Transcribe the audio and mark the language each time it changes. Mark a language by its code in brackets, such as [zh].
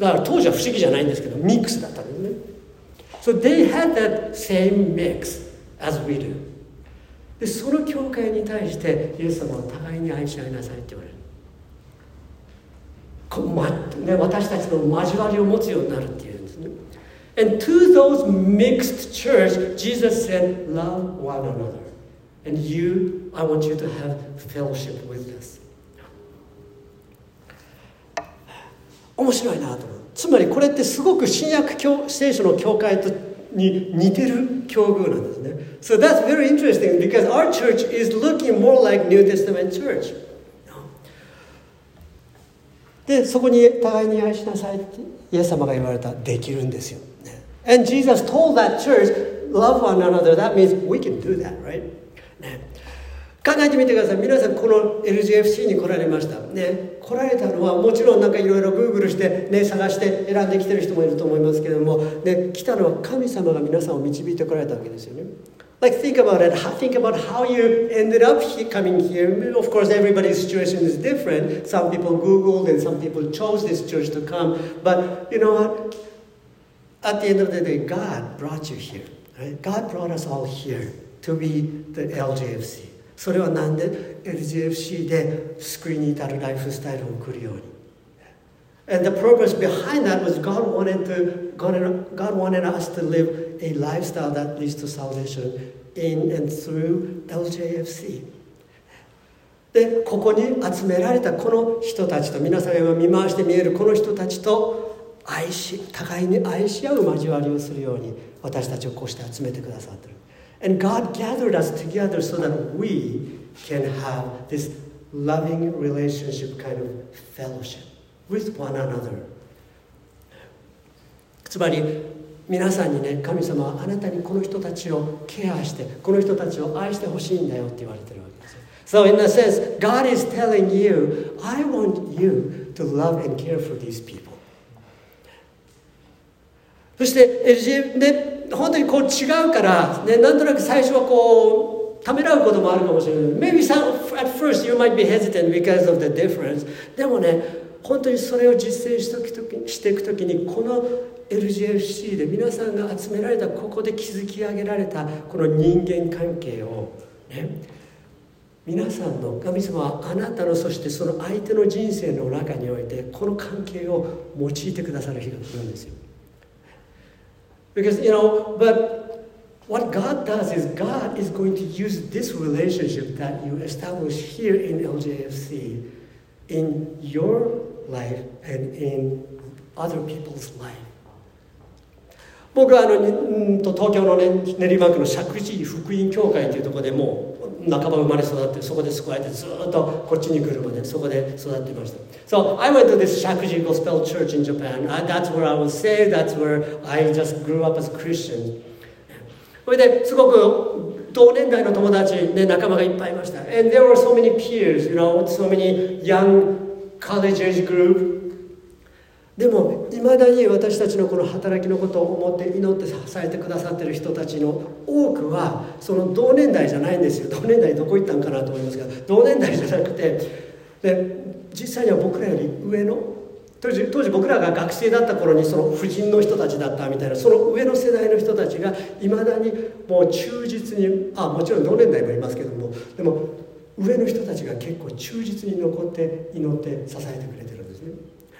[ja] だから当時は不思議じゃないんですけど、ミックスだったんですね。 [en] So they had that same mix as we do. [ja] で、その教会に対して、イエス様は互いに愛し合いなさいって言われる。こう、ま、ね、私たちの交わりを持つようになるっていうんですね。 [en] And to those mixed church, Jesus said, love one another. And you, I want you to have fellowship with us. [ja] 面白いなと思う。つまりこれってすごく新約聖書の教会に似てる境遇なんですね。 [en] So that's very interesting because our church is looking more like New Testament church. [ja] で、そこに互いに愛しなさいってイエス様が言われた、できるんですよ。 [en] And Jesus told that church, love one another. That means we can do that, right? ね。 [ja] 考えてみてください。皆さんこの LGFC に来られましたね。来られたのはもちろんなんかいろいろ Google してね、探して選んできてる人もいると思いますけれども、で、来たのは神様が皆さんを導いてこられたわけですよね。 [en] Like think about it. Think about how you ended up coming here. Of course, everybody's situation is different. Some people Googled and some people chose this church to come. But you know what? At the end of the day, God brought you here. God brought us all here to be the LGFC. [ja] それはなんで LGFC で救いに至るライフスタイルを送るように。 [en] And the purpose behind that was God wanted us to live a lifestyle that leads to salvation in and through LGFC. [ja] で、ここに集められたこの人たちと、皆さんが見回して見えるこの人たちと愛し、互いに愛し合う交わりをするように私たちをこうして集めてくださってる。 [en] And God gathered us together so that we can have this loving relationship kind of fellowship with one another. [ja] つまり皆さんにね、神様はあなたにこの人たちをケアして、この人たちを愛してほしいんだよって言われてるわけです。 [en] So in a sense, God is telling you, I want you to love and care for these people. [ja] そして、本当にこう違うから、ね、なんとなく最初はこうためらうこともあるかもしれない。 [en] Maybe some, at first you might be hesitant because of the difference. [ja] でもね、本当にそれを実践していくときに、この LGFC で皆さんが集められた、ここで築き上げられたこの人間関係を、ね、皆さんの、神様はあなたの、そしてその相手の人生の中において、この関係を用いてくださる日が来るんですよ。 [en] Because, you know, but what God does is God is going to use this relationship that you establish here in LJFC in your life and in other people's life. [ja] 僕はあの東京の、ね、練馬区の石神井福音教会というところでもう半ば生まれ育って、そこで救われてずっとこっちに来るまでそこで育っていました。 [en] So I went to this 石神井 Gospel Church in Japan. That's where I was saved. That's where I just grew up as a Christian. [ja] それですごく同年代の友達、ね、仲間がいっぱいいました。 [en] And there were so many peers, you know, so many young college age group. [ja] でも、いまだに私たちのこの働きのことを思って祈って支えてくださっている人たちの多くは、その同年代じゃないんですよ。同年代どこ行ったんかなと思いますが、同年代じゃなくて、で実際には僕らより上の、当時僕らが学生だった頃にその婦人の人たちだったみたいな、その上の世代の人たちが、いまだにもう忠実に、あ、もちろん同年代もいますけども、でも上の人たちが結構忠実に残って祈って支えてくれてるんですね。